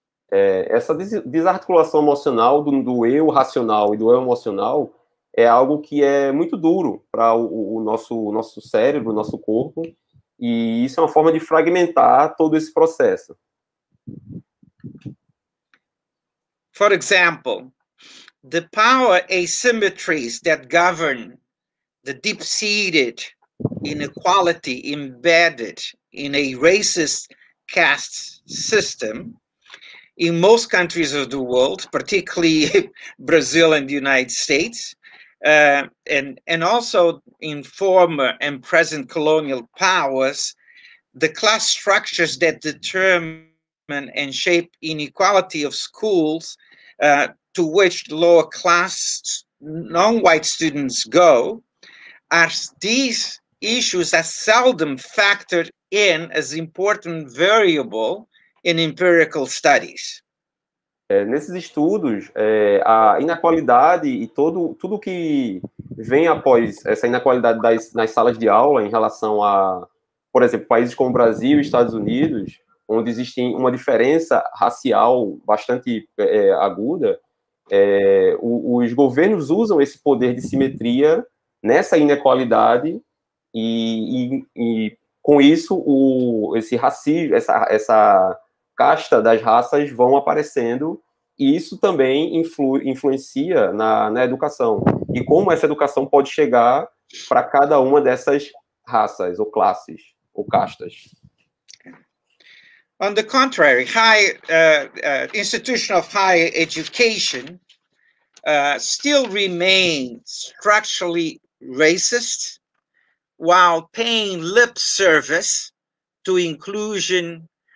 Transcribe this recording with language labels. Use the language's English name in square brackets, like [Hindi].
[Portuguese] Essa desarticulação emocional do eu racional e do eu emocional é algo que é muito duro para o nosso cérebro, o nosso corpo, e isso é uma forma de fragmentar todo esse processo. [English] For example, the power asymmetries that govern the deep-seated inequality embedded in a racist caste system in most countries of the world, particularly Brazil and the United States, and also in former and present colonial powers, the class structures that determine and shape inequality of schools to which lower class non-white students go, are these issues are seldom factored in as important variable in empirical studies. [Portuguese] Nesses estudos, a inequalidade e tudo que vem após essa inequalidade nas salas de aula em relação a, por exemplo, países como Brasil e Estados Unidos, onde existe uma diferença racial bastante aguda, os governos usam esse poder de simetria nessa inequalidade e com isso, esse racismo, essa casta das raças vão aparecendo, e isso também influencia na educação. E como essa educação pode chegar para cada uma dessas raças, ou classes, ou castas. [English] On the contrary, institution of higher education still remains structurally racist, while paying lip service to inclusion